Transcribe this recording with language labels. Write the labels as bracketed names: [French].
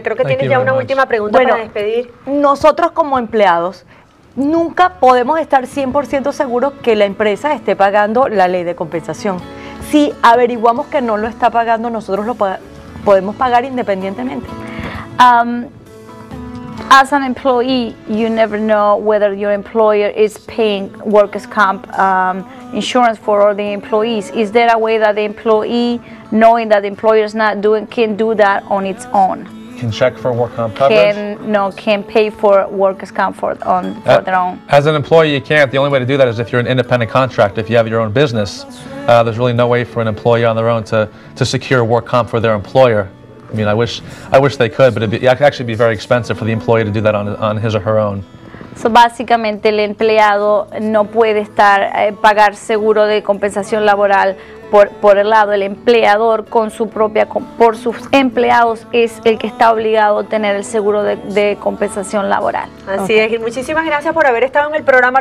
[Spanish] Creo que [English] Thank [Spanish] tienes ya una [English] much. [Spanish] Última pregunta bueno, para despedir. Nosotros como empleados nunca podemos estar 100% seguros que la empresa esté pagando la ley de compensación. Si averiguamos que no lo está pagando, nosotros lo podemos pagar independientemente. [English] As an employee, you never know whether your employer is paying workers' comp insurance for all the employees. Is there a way that the employee, knowing that the employer is not doing, can do that on its own? Can check for work comp coverage? Can pay for workers' comp for their own. As an employee, you can't. The only way to do that is if you're an independent contractor, if you have your own business. There's really no way for an employee on their own to secure work comp for their employer. I mean, I wish they could, but it'd actually be very expensive for the employee to do that on his or her own. [Spanish] So, básicamente el empleado no puede estar pagar seguro de compensación laboral por el lado. El empleador con su propia, por sus empleados, es el que está obligado a tener el seguro de compensación laboral. Así okay. es. Y muchísimas gracias por haber estado en el programa.